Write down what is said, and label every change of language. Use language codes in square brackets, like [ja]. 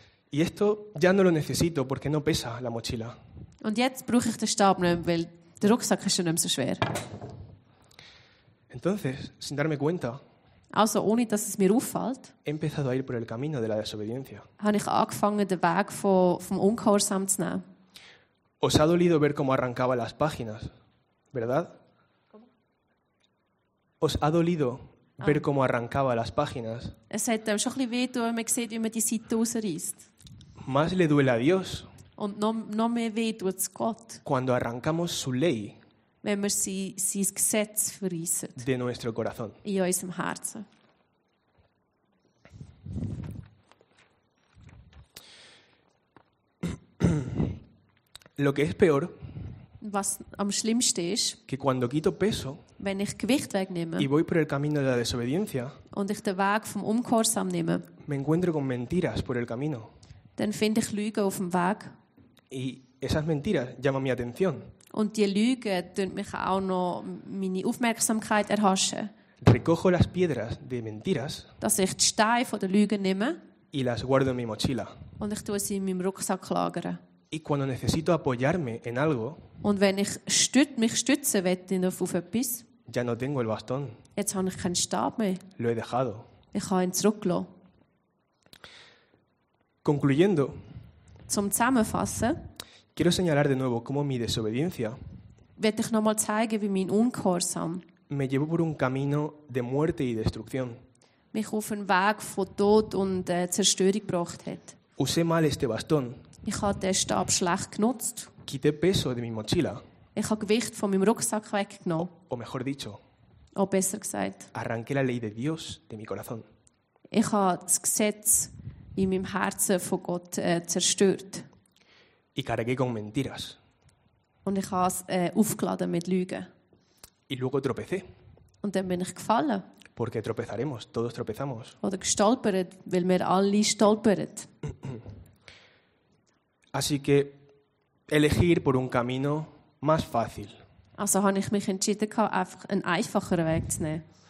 [es] Y esto ya no lo necesito porque no pesa la mochila. [de] Und jetzt brauche ich den Stab nicht, weil der Rucksack ist schon nicht so schwer. [es] Entonces, sin darme cuenta. [de] Also, ohne dass es mir auffällt. [es] He empezado a ir por el camino de la desobediencia. [de] Habe ich angefangen, den Weg vom Ungehorsam zu nehmen. [es] Os ha dolido ver cómo arrancaba las páginas, ¿verdad? Os ha dolido ver cómo arrancaba las páginas. [de] Es hat ihm schon ein bisschen weh tun, man sieht, wie man die Seite rausreißt. [es] Más le duele a Dios. [de] Und noch mehr weh tut es Gott. [es] Cuando arrancamos su ley. [de] Wenn wir sein Gesetz verreißen. [es] De nuestro corazón. [de] In unserem Herzen. [es] Lo que es peor. [de] Was am schlimmsten ist, [es] que cuando quito peso, [de] wenn ich Gewicht wegnehme [es] y voy por el camino de la desobediencia, [de] und ich den Weg vom Ungehorsam nehme, [es] me encuentro con mentiras por el camino. [de] Dann finde ich Lügen auf dem Weg. [es] Y esas mentiras llaman mi atención. [de] Und die Lügen tun mich auch noch meine Aufmerksamkeit erhaschen. [es] Recojo las piedras de mentiras, [de] dass ich die Steine von der Lügen nehme [es] y las guardo en mi mochila. [de] Und ich tue sie in meinem Rucksack lagern. [es] Y cuando necesito apoyarme en algo, [de] und wenn ich mich stützen will auf etwas, [es] ya no tengo el bastón. [de] Jetzt habe ich keinen Stab mehr. [es] Lo he dejado. [de] Ich habe ihn zurückgelassen. [es] Concluyendo, [de] zum Zusammenfassen, [es] quiero señalar de nuevo cómo mi desobediencia, [de] will ich noch mal zeigen, wie mein Ungehorsam, [es] me llevó por un camino de muerte y destrucción. [de] Mich auf einen Weg von Tod und Zerstörung gebracht hat. [es] Usé mal este bastón. [de] Ich habe den Stab schlecht genutzt. [es] Quité peso de mi mochila. [de] Ich habe Gewicht von meinem Rucksack weggenommen. [es] O mejor dicho. [de] O besser gesagt. [es] Arranqué la ley de Dios de mi corazón. [de] Ich habe das Gesetz in meinem Herzen von Gott zerstört. [es] Y cargué con mentiras. [de] Und ich habe es aufgeladen mit Lügen. [es] Y luego tropecé. [de] Und dann bin ich gefallen. [es] Porque tropezaremos, todos tropezamos. [de] Oder gestolpert, weil wir alle stolpern. [es] Así que elegir por un camino más fácil. [de] Also habe ich mich entschieden, einfach einen einfacheren Weg zu nehmen.